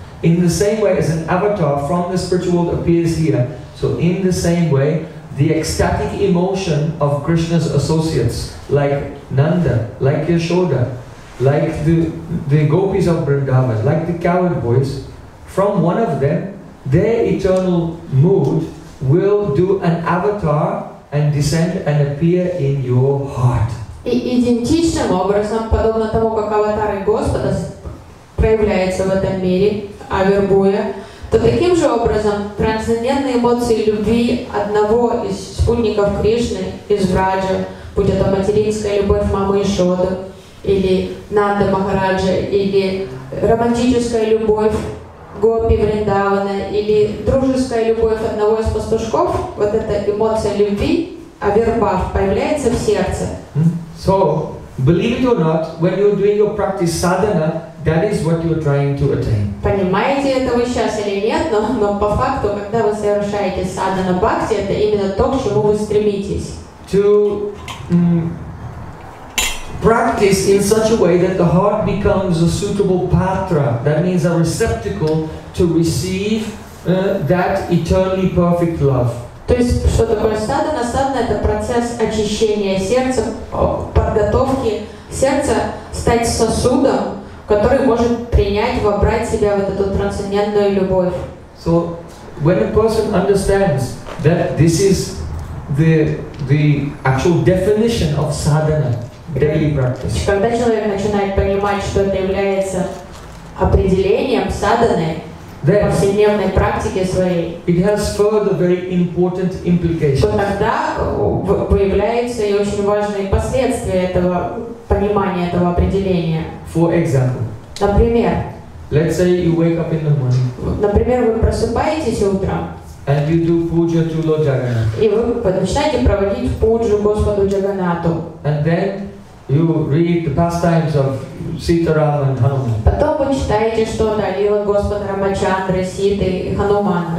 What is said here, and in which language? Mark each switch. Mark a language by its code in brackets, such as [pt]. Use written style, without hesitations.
[en] In the same way as an avatar from the spiritual world appears here, so in the same way, the ecstatic emotion of Krishna's associates, like Nanda, like Yashoda, like the gopis of Vrindavan, like the cowherd boys, from one of them, their eternal mood will do an avatar and descend and appear in your heart. [ru] Identичным образом, подобно тому, как аватары Господа проявляются в этом мире, а вербуя, то таким же образом трансцендентные эмоции любви одного из спутников Кришны, из Враджа, будь это материнская любовь мамы Ишоды, или Нанда Махараджа, или романтическая любовь гопи Вриндавана, или дружеская любовь одного из пастушков, вот эта эмоция любви, а вербав, появляется в сердце. [en] So, believe it or not, when you're doing your practice sadhana, that is what you are trying to attain. [ru] Понимаете это вы сейчас или нет, но по факту, когда вы совершаете садхана бхакти, это именно то, к чему вы стремитесь. [en] To practice in such a way that the heart becomes a suitable patra, that means a receptacle to receive that eternally perfect love. [ru] То есть, что такое садхана? Садхана – это процесс очищения сердца, подготовки сердца стать сосудом, который может принять, вобрать в себя вот эту трансцендентную любовь. [en] So, when a person understands that this is the actual definition of sadhana, daily practice. [ru] Когда человек начинает понимать, что это является определением садханы, в повседневной практике своей, [en] it has further very important implications. [ru] То тогда появляются и очень важные последствия этого понимания, этого определения. [en] For example, [ru] например, [en] let's say you wake up in the morning, [ru] например, вы просыпаетесь утром, [en] and you do puja to Lord Jagannath, [ru] и вы начинаете проводить пуджу Господу Джаганнату. [en] And then you read the pastimes of Sitaram and Hanuman. [ru] Потом вы читаете что-то о лилах Господа Рамачандры, Ситы и Ханумана.